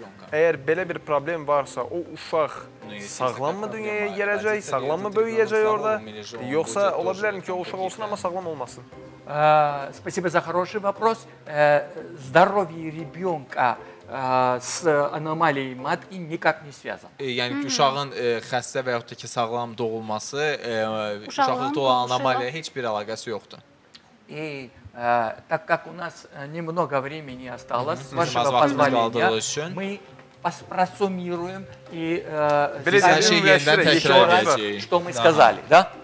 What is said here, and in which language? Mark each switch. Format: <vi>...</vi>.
<az>Əgər belə bir problem varsa, o uşaq sağlammı dünyaya gələcək, sağlammı böyüyəcək orada? Yoxsa ola bilərim ki, o uşaq olsun, amma sağlam olmasın?</az> <ru>Спасибо за хороший вопрос. Здоровье ребенка с аномалией матки никак не связано.</ru> <az>Yəni ki, uşağın xəstə və yaxud da ki, sağlam doğulması, uşaqlıqda olan anomaliya heç bir əlaqəsi yoxdur.</az> <ru>И так как у нас немного времени осталось, с вашего позволения, мы просуммируем и что мы сказали, да?</ru>